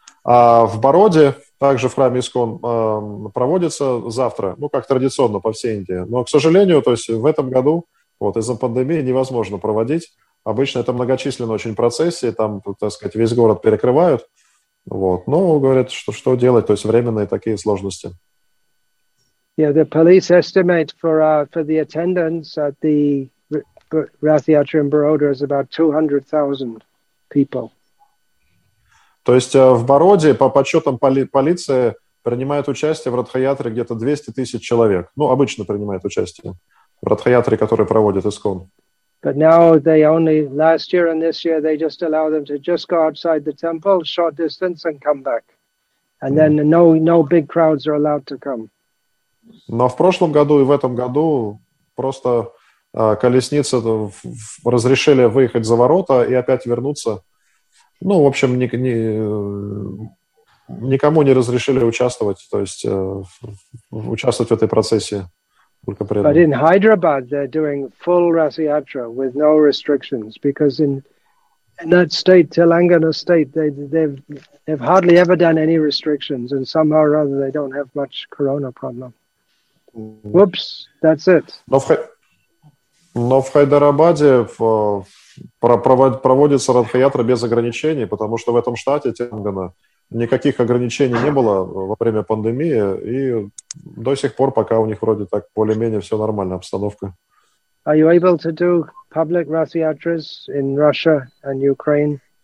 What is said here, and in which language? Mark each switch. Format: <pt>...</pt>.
<ru>А в Бароде, также в храме Искон, проводится завтра, ну как традиционно по всей Индии. Но, к сожалению, то есть в этом году вот из-за пандемии невозможно проводить. Обычно это многочисленные очень процессии, там, так сказать, весь город перекрывают. Вот. Но говорят, что делать, то есть временные такие сложности.</ru> <en>Yeah, the police estimate for the attendance at the Rathiatra in Baroda is about 200,000 people.</en> <ru>То есть в Бароде, по подсчетам полиции, принимает участие в Радхаятре где-то 200 тысяч человек. Ну, обычно принимает участие в Радхаятре, который проводит ИСКОН.</ru> <en>But now they only, last year and this year, they just allow them to just go outside the temple, short distance, and come back. And then no big crowds are allowed to come.</en> <ru>Но в прошлом году и в этом году просто колесницы разрешили выехать за ворота и опять вернуться. Ну, в общем, никому не разрешили участвовать, то есть участвовать в этой процессии.</ru> <en>But in Hyderabad, they're doing full Rasiatra with no restrictions because in that state, Telangana state, they've hardly ever done any restrictions and somehow or other they don't have much corona problem. Whoops, that's it.</en> <ru>Но в Хайдарабаде проводится Радхаятра без ограничений, потому что в этом штате Телангана никаких ограничений не было во время пандемии, и до сих пор пока у них вроде так более-менее все нормально, обстановка.</ru> <en>Are you able to do public Radхаятрас in Russia and Ukraine?</en>